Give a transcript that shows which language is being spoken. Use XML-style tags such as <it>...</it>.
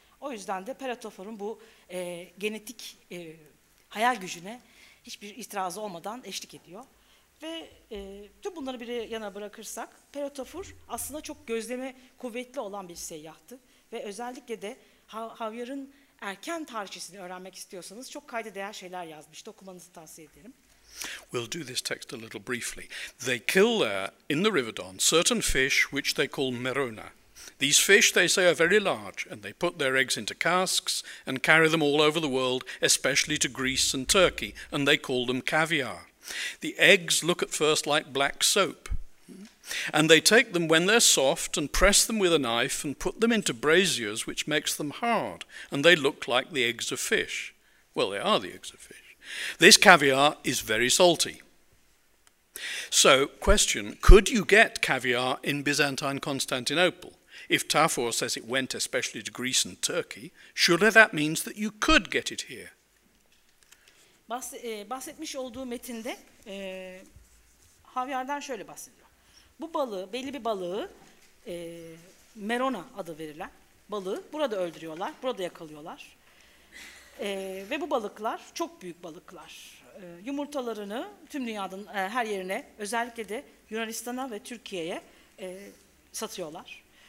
<tr>O yüzden de Perotafor'un bu genetik hayal gücüne hiçbir itirazı olmadan eşlik ediyor. Ve tüm bunları bir yana bırakırsak, Perotafor aslında çok gözleme kuvvetli olan bir seyyahtı. Ve özellikle de Havyar'ın erken tarihçesini öğrenmek istiyorsanız çok kayda değer şeyler yazmıştı. Okumanızı tavsiye ederim.</tr> <en>We'll do this text a little briefly. They kill there, in the River Don, certain fish which they call Merona. These fish, they say, are very large, and they put their eggs into casks and carry them all over the world, especially to Greece and Turkey, and they call them caviar. The eggs look at first like black soap. And they take them when they're soft and press them with a knife and put them into braziers, which makes them hard, and they look like the eggs of fish. Well, they are the eggs of fish. This caviar is very salty. So, question, could you get caviar in Byzantine Constantinople? If Tafur says it went especially to Greece and Turkey, surely that means that you could get it here.</en> <tr>Bahsetmiş olduğu metinde Havyar'dan şöyle bahsediyor. Bu balığı, belli bir balığı, Merona adı verilen balığı burada öldürüyorlar, burada yakalıyorlar. Ve bu balıklar çok büyük balıklar. Yumurtalarını tüm dünyanın her yerine, özellikle de Yunanistan'a ve Türkiye'ye satıyorlar.</tr>